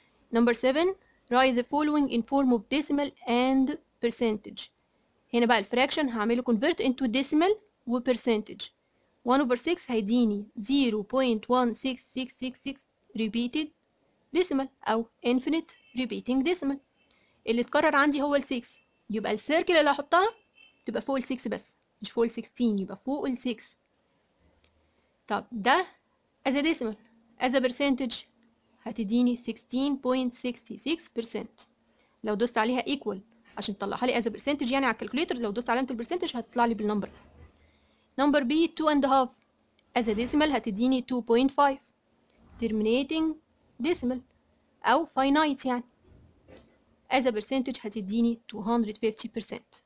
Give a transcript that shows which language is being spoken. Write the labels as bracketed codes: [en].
[en] Number 7, write the following in form of decimal and percentage. [ar] هنا بقى الفراكشن هعمله convert into decimal و percentage. 1 over 6 هيديني 0.16666 repeated decimal أو infinite repeating decimal. اللي اتكرر عندي هو ال 6، يبقى السيركل اللي هحطها تبقى فوق ال 6 بس، مش فوق ال 16، يبقى فوق ال 6. طب ده as a decimal، as a percentage هتديني 16.66%. لو دوست عليها equal عشان تطلعها لي as a percentage يعني على الكالكوليتر، لو دوست علامة ال percentage هتطلع لي بالنمبر. [en] Number B 2.5 as a decimal هتديني 2.5 terminating decimal أو finite يعني، as a percentage هتديني 250%.